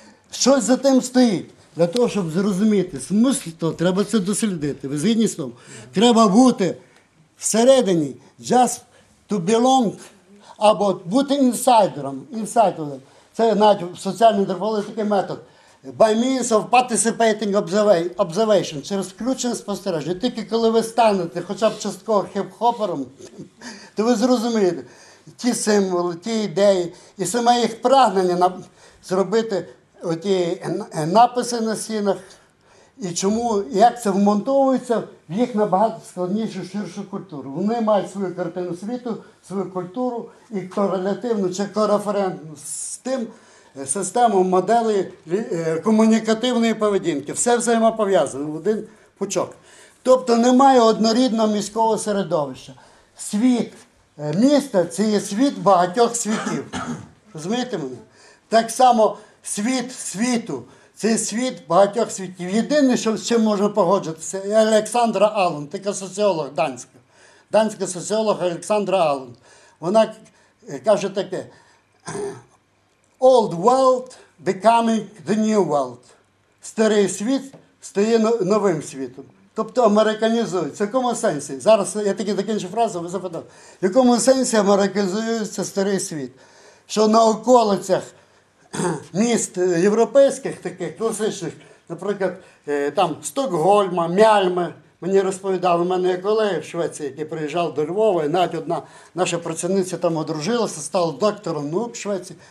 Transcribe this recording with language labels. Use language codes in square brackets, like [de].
[uk] Щось за тим стоїть. Для того, щоб зрозуміти смисл, то треба це дослідити. Ви згідні з тим? Треба бути всередині, [en] just to belong, [uk] або бути інсайдером. Інсайдером. Це навіть в соціальній антропології такий метод. [en] By means of participating observation, [uk] через включене спостереження. Тільки коли ви станете хоча б частково хіп-хопером, то ви зрозумієте ті символи, ті ідеї і саме їх прагнення зробити оті написи на стінах і чому, як це вмонтовується в їх набагато складнішу, ширшу культуру. Вони мають свою картину світу, свою культуру і корелятивну чи кореферентну з тим, систему моделі комунікативної поведінки. Все взаємопов'язано в один пучок. Тобто немає однорідного міського середовища. Світ міста – це є світ багатьох світів. Розумієте мене? Так само світ світу – це світ багатьох світів. Єдине, що з чим можна погодитися, це Олександра Алун, така соціолог данська. Данська соціолог Олександра Алун. Вона каже таке [en] – old world becoming the new world. [uk] Старий світ стає новим світом. Тобто американізується. В якому сенсі? Зараз я таки закінчу фразу, ви запитав. В якому сенсі американізується старий світ? Що на околицях міст європейських таких, класичних, наприклад, там Стокгольма, Мяльми, мені розповідали, у мене є колеги в Швеції, які приїжджали до Львова, і навіть одна наша працівниця там одружилася, стала доктором наук в Швеції.